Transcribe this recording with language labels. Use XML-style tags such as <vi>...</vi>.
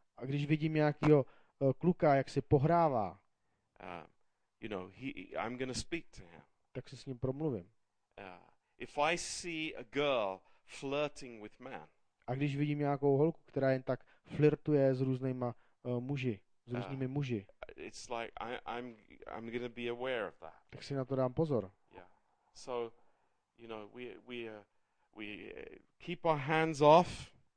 <cs>A když vidím nějakýho kluka, jak si pohrává.</cs> <en>You know, I'm going to speak to him.</en> <cs>Tak se s ním promluvím.</cs> <en>If I see a girl flirting with men.</en> <cs>A když vidím nějakou holku, která jen tak flirtuje s různýma muži, s různými muži.</cs> <en>It's like I'm going to be aware of that.</en> <cs>Tak si na to dám pozor.</cs> <en>Yeah. So you know, we keep our hands off.</en>